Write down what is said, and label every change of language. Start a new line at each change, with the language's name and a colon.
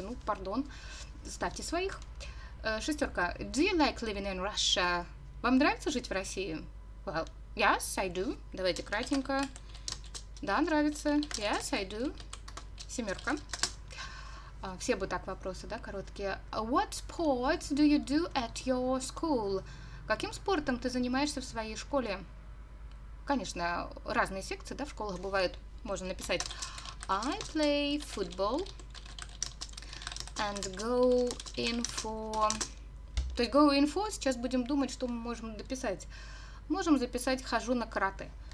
Russian: Ну, пардон, ставьте своих. Шестерка.
English: Do you like living in Russia?
Russian: Вам нравится жить в России?
English: Well, yes, I do.
Russian: Давайте кратенько. Да, нравится.
English: Yes, I do.
Russian: Семерка. Все бы так вопросы, да, короткие.
English: What sports do you do at your school?
Russian: Каким спортом ты занимаешься в своей школе? Конечно, разные секции, да, в школах бывают. Можно написать.
English: I play football and go in for...
Russian: То есть
English: go in for,
Russian: сейчас будем думать, что мы можем дописать. Можем записать «хожу на карате».